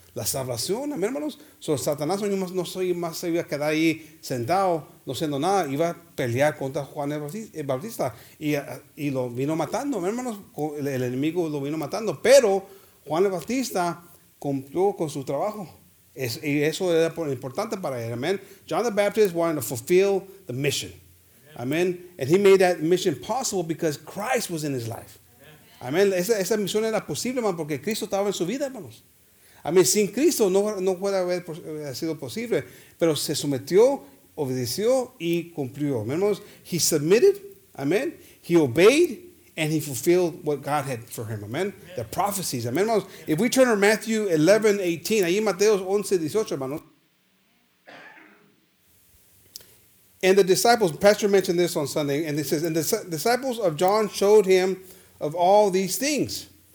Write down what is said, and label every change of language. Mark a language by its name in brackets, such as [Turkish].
[Spanish] La salvación, amén, hermanos. So, Satanás no soy más se iba a quedar ahí sentado, no siendo nada. Iba a pelear contra Juan el Bautista. Y lo vino matando, amén, hermanos. El enemigo lo vino matando. Pero Juan el Bautista cumplió con su trabajo. Y eso era importante para él, amén. [English] John the Baptist wanted to fulfill the mission. Amén. And he made that mission possible because Christ was in his life. Amén. [Spanish] Esa misión era posible, hermano, porque Cristo estaba en su vida, hermanos. [English] I mean, [Spanish] sin Cristo no puede haber sido posible, pero se sometió, obedeció y cumplió. [English] Hermanos, he submitted, amen. He obeyed and he fulfilled what God had for him, amen. Yeah. The prophecies, amen, hermanos. Yeah. If we turn to Matthew 11, 18, [Spanish] ahí Mateo 11, 18, hermanos. [English] And the disciples, Pastor mentioned this on Sunday, and it says, and the disciples of John showed him of all these things.